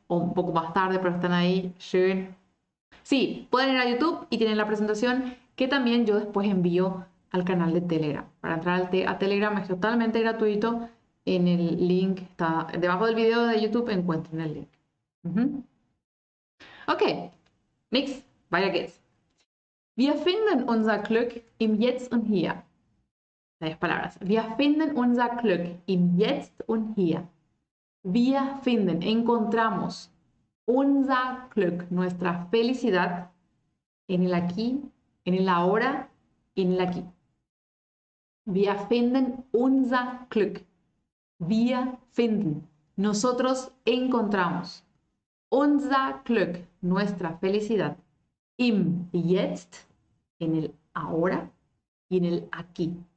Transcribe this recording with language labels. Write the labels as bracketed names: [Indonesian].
[Spanish] O un poco más tarde, pero están ahí. Schön. Sí, pueden ir a YouTube y tienen la presentación que también yo después envío al canal de Telegram. Para entrar a Telegram es totalmente gratuito. En el link está debajo del video de YouTube, encuentren el link. Ok, Mix, [German] Weiter geht's. Wir finden unser Glück im Jetzt und Hier. [Spanish] Tres palabras. [German] Wir finden unser Glück im Jetzt und Hier. [Spanish] Wir finden, encontramos unser Glück, nuestra felicidad en el aquí, en el ahora, en el aquí. Wir finden unser Glück. Wir finden, nosotros encontramos unser Glück, nuestra felicidad im Jetzt, en el ahora y en el aquí.